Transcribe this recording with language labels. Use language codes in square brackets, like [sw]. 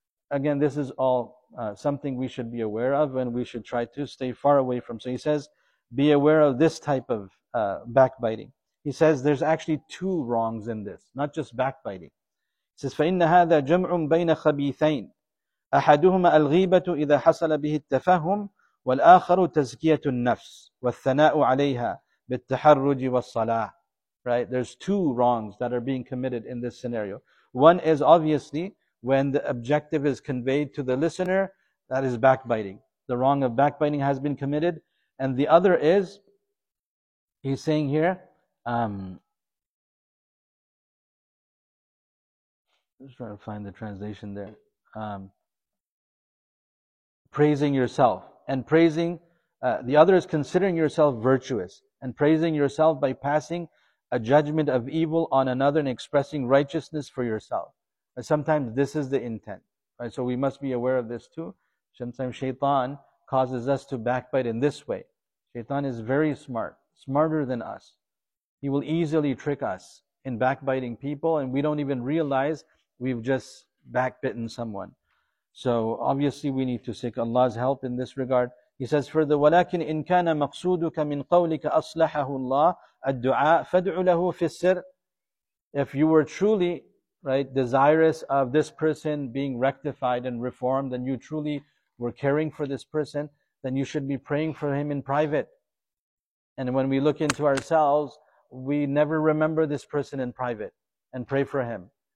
[en] Again, this is all something we should be aware of, and we should try to stay far away from. So he says, be aware of this type of backbiting. He says there's actually two wrongs in this, not just backbiting. He says, [ar] فَإِنَّ هَذَا جَمْعٌ بَيْنَ خَبِيثَيْنَ أحدهما الغيبة إذا حصل به التفهم والآخر تزكية النفس والثناء عليها بالتحرج والصلاة. [en] Right? There's two wrongs that are being committed in this scenario. One is obviously when the objective is conveyed to the listener, that is backbiting. The wrong of backbiting has been committed. And the other is, he's saying here, just trying to find the translation there. Praising yourself and praising the other is considering yourself virtuous and praising yourself by passing a judgment of evil on another and expressing righteousness for yourself. And sometimes this is the intent, right? So we must be aware of this too. Sometimes shaitan causes us to backbite in this way. Shaitan is very smart, smarter than us. He will easily trick us in backbiting people, and we don't even realize we've just backbitten someone. So obviously we need to seek Allah's help in this regard. He says, further, [ar] وَلَكِنْ إِنْ كَانَ مَقْصُودُكَ مِنْ قَوْلِكَ أَصْلَحَهُ اللَّهُ الدُّعَاءَ فَادْعُ لَهُ فِي السِّرِّ. [en] If you were truly, right, desirous of this person being rectified and reformed, and you truly were caring for this person, then you should be praying for him in private. And when we look into ourselves, we never remember this person in private and pray for him.